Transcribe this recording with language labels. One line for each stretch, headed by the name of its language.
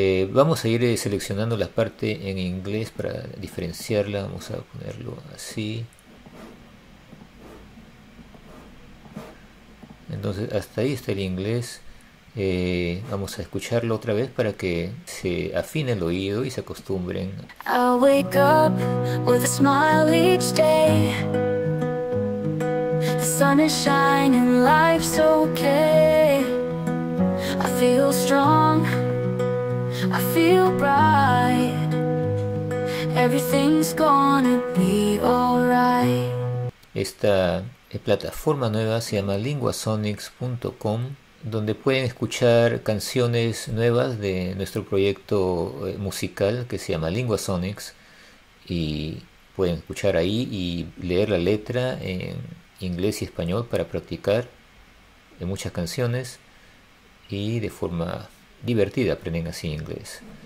Spanish: Vamos a ir seleccionando la parte en inglés para diferenciarla, vamos a ponerlo así. Entonces, hasta ahí está el inglés. Vamos a escucharlo otra vez para que se afine el oído y se acostumbren.
English: I wake up with a smile each day. The sun is shining, life's okay. I feel strong, I feel bright. Everything's gonna be alright.
Spanish: Esta plataforma nueva se llama linguasonics.com. donde pueden escuchar canciones nuevas de nuestro proyecto musical que se llama Lingua Sonics, y pueden escuchar ahí y leer la letra en inglés y español para practicar en muchas canciones y de forma divertida aprenden así inglés.